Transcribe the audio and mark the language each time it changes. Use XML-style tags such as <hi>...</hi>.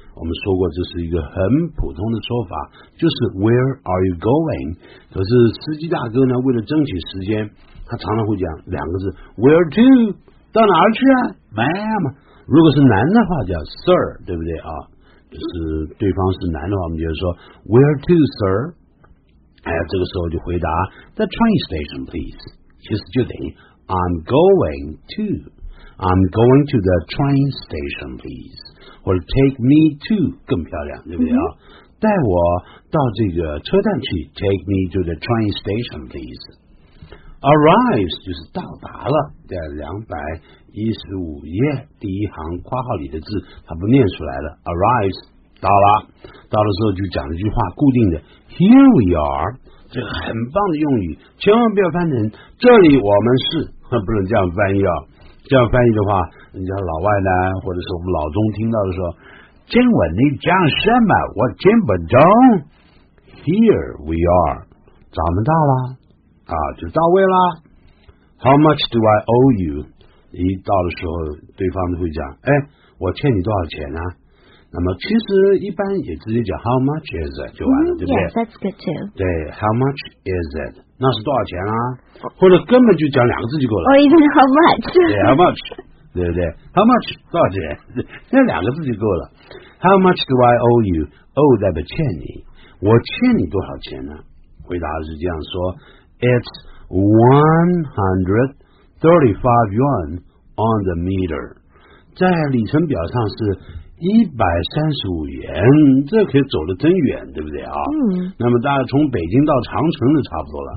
<zh>我们说过这是一个很普通的说法，就是</zh> <en>Where are you going。</en> <zh>可是司机大哥呢为了争取时间，他常常会讲两个字，</zh> <en>Where to，</en> <zh>到哪去啊，</zh> <en>Ma'am。</en> <zh>如果是男的话叫 Sir， 对不对啊？就是对方是男的话，我们就说</zh> <en>Where to sir，</en> <zh>哎呀，这个时候就回答</zh> <en>The train station please，</en> <zh>其实就等于</zh> <en>I'm going to the train station, please.</en> <zh>或者</zh> <en>take me to</en> <zh>更漂亮，对不对啊？带我到这个车站去，</zh> <en>take me to the train station, please.</en> <zh>Arrives 就是到达了，在215页第一行括号里的字，它不念出来了。 Arrives 到了，到了之后就讲了一句话，固定的</zh> <en>Here we are。</en> <zh>这个很棒的用语，千万不要翻成这里我们是，不能这样翻译啊。这样翻译的话，人家老外呢或者是我们老中听到的时候，今晚你讲什么我听不懂。</zh> <en>Here we are，</en> <zh>咱们到了啊，就到位了。</zh> <en>How much do I owe you，</en> <zh>一到的时候对方会讲哎，我欠你多少钱啊。那么其实一般也直接讲</zh> <en>How much is it</en> <zh>就完了，对不对？</zh> <en>Yes, that's good too.</en> <zh>对，</zh> <en>How much is it，</en> <zh>那是多少钱啊，或者根本就讲两个字就够了。</zh> <en>Or even how much.</en> <zh>对，</zh> <en>How much，</en> <zh>对不对？How much， 多少钱，那两个字就够了。</zh> <en>How much do I owe you，</en> <zh>owe 代表欠你，我欠你多少钱呢？回答是这样说，</zh> <en>It's 135 yuan on the meter，</en> <zh>在里程表上是135元，这可以走得真远，对不对啊？那么大概从北京到长城就差不多了。</zh>